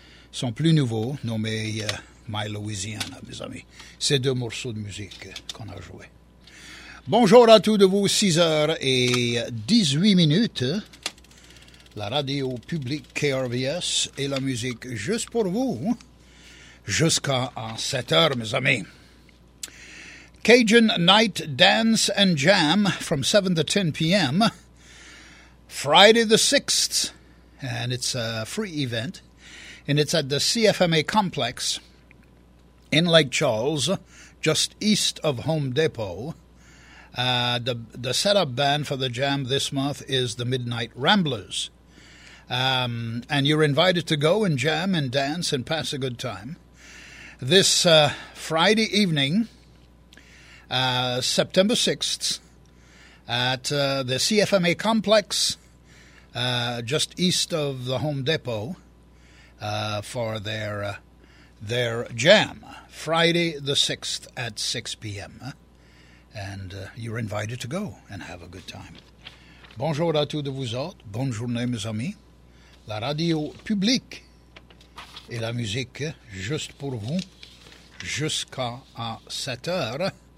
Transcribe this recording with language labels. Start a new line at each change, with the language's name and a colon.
French: Son plus nouveau, nommé My Louisiana, mes amis. C'est deux morceaux de musique qu'on a joué. Bonjour à tous de vous, 6h et 18 minutes. La radio publique KRVS et la musique juste pour vous. Jusqu'à 7h, mes amis.
English: Cajun Night Dance and Jam from 7 to 10 p.m. Friday the 6th, and it's a free event, and it's at the CFMA Complex in Lake Charles, just east of Home Depot. The setup band for the jam this month is the Midnight Ramblers, and you're invited to go and jam and dance and pass a good time. This Friday evening, September 6th at the CFMA Complex, just east of the Home Depot, for their jam, Friday the 6th at 6 p.m. And you're invited to go and have a good time.
French: Bonjour à tous de vous autres, bonne journée mes amis. La radio publique et la musique juste pour vous jusqu'à 7 heures.